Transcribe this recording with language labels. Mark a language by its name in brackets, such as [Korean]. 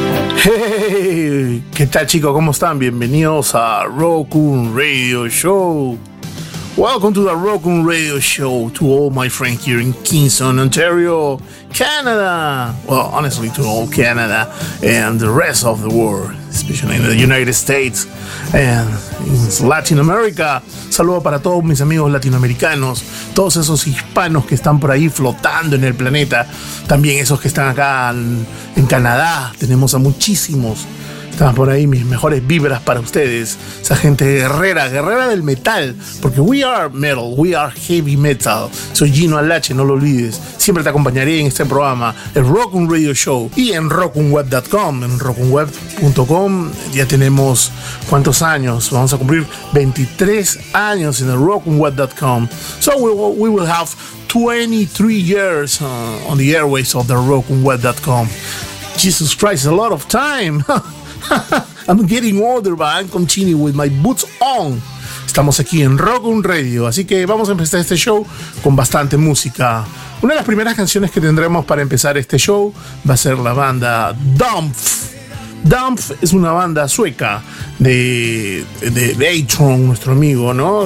[Spanish] Hey, ¿qué tal, chicos? ¿Cómo están? Bienvenidos a Raccoon Radio Show. [English] Welcome to the Raccoon Radio Show to all my friends here in Kingston, Ontario, Canada. Well, honestly, to all Canada and the rest of the world, especially in the United States and in Latin America. [Spanish] Saludo para todos mis amigos latinoamericanos, todos esos hispanos que están por ahí flotando en el planeta, también esos que están acá en Canadá. Tenemos a muchísimos. Están por ahí mis mejores vibras para ustedes, esa gente guerrera, guerrera del metal, porque [English] we are metal, we are heavy metal. [Spanish] Soy Gino Alache, no lo olvides, siempre te acompañaré en este programa, el Raccoon Radio Show, y en RaccoonWeb.com. En RaccoonWeb.com ya tenemos, ¿cuántos años? Vamos a cumplir 23 años en el RaccoonWeb.com, [English] so we will have 23 years on the airways of the RaccoonWeb.com. Jesus Christ, a lot of time. I'm getting older, but I'm continuing with my boots on. [Spanish] Estamos aquí en Raccoon Radio, así que vamos a empezar este show con bastante música. Una de las primeras canciones que tendremos para empezar este show va a ser la banda Dumpf. Dumpf es una banda sueca de Atron, nuestro amigo, ¿no?